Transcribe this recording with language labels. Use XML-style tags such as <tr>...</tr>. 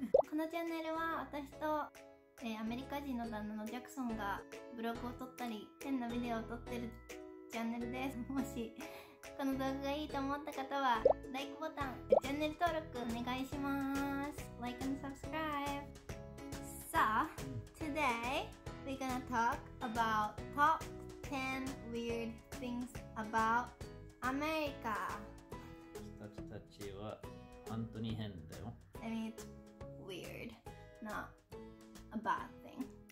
<ja>このチャンネルは私と、アメリカ人の旦那のジャクソンがブログを撮ったり変なビデオを撮ってるチャンネルです。もしこの動画がいいと思った方は、LIKE ボタン、チャンネル登録お願いします。</ja> <en>LIKE and subscribe! So, today, we're gonna talk about top 10 weird things about America.</en> <ja>私たちは本当に変だよ。</ja> <en>I mean, it's weird, not a bad thing.</en>